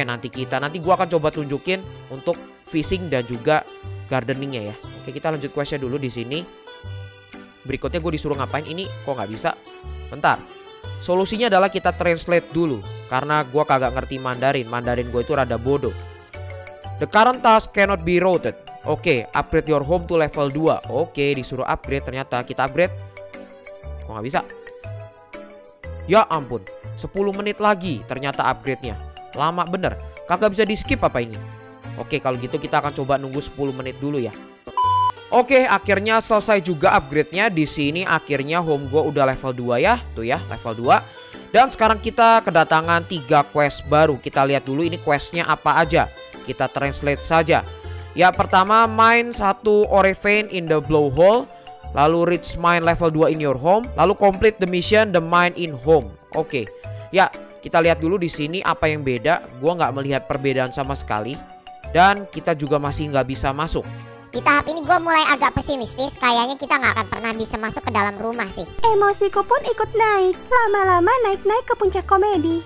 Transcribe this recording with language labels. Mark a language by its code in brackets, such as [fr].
[id] Nanti gue akan coba tunjukin untuk fishing dan juga gardeningnya ya. Oke, kita lanjut questnya dulu di sini. Berikutnya gue disuruh ngapain ini? Kok nggak bisa? Bentar. Solusinya adalah kita translate dulu karena gue kagak ngerti Mandarin. Mandarin gue itu rada bodoh. [en] The current task cannot be routed. Oke, okay, upgrade your home to level 2. [id] Oke, okay, disuruh upgrade. Ternyata kita upgrade. Kok nggak bisa? Ya ampun. 10 menit lagi ternyata upgrade-nya. Lama bener. Kagak bisa di-skip apa ini? Oke, okay, kalau gitu kita akan coba nunggu 10 menit dulu ya. Oke, akhirnya selesai juga upgrade-nya. Di sini akhirnya home gue udah level 2 ya. Tuh ya, level 2. Dan sekarang kita kedatangan 3 quest baru. Kita lihat dulu ini quest-nya apa aja. Kita translate saja. Ya, pertama [en] mine 1 ore vein in the blowhole. Lalu reach mine level 2 in your home. Lalu complete the mission the mine in home. [id] Oke. Ya, kita lihat dulu di sini apa yang beda. Gue nggak melihat perbedaan sama sekali. Dan kita juga masih nggak bisa masuk. Di tahap ini gue mulai agak pesimistis, kayaknya kita gak akan pernah bisa masuk ke dalam rumah sih. Emosiku pun ikut naik, lama-lama naik-naik ke puncak komedi.